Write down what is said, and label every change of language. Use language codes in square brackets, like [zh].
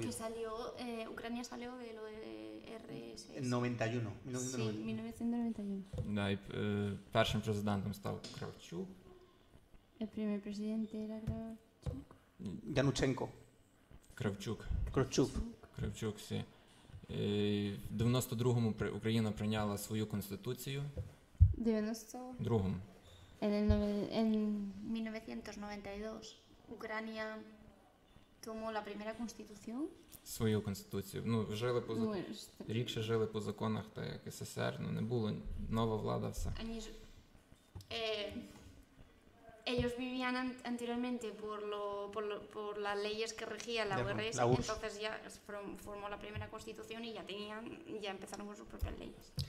[es] Que salió Ucrania salió de lo de RSS. En 91, 1991. Sí, 1991. [uk] Да, першим президентом став Кравчук. [es] El primer presidente era Kravchuk. Yanuchenko. Кравчук, sí. [uk] В 92-му Україна прийняла свою конституцію. В 92-му? В 1992 Україна тому [es] la primera constitución? [uk] Свою конституцію. Ну, жили по рік ще жили по законах, так як СССР, ну не було нова влада все. [ru] Они ж [es] ellos vivían anteriormente por las leyes que regía la URSS, entonces ya formó la primera constitución y ya empezaron con sus propias leyes.